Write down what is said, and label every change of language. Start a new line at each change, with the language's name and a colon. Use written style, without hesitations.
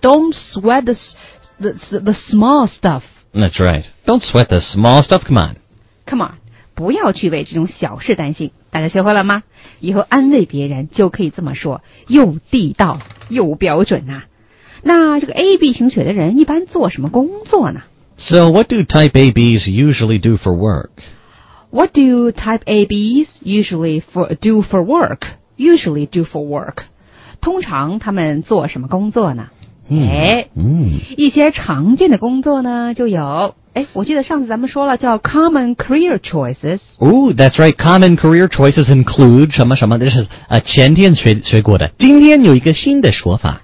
English: don't sweat the small stuff. That's right. Don't sweat the small stuff, come on. Come on,
Chinese: 不要去为这种小事担心。大家学会了吗？以后安慰别人就可以这么说，又地道又标准啊。那这个 AB 型血的人一般做什么工作呢？
English: So what do type ABs usually do for work? What do type ABs usually do for work? Usually do for work.
Chinese: 通常他们做什么工作呢？一些常见的工作呢就有我记得上次咱们说了叫
English: common career choices Ooh, that's right common career choices include
Chinese: 什么什么
English: this is
Chinese: 前天 学过的今天有一个新的说法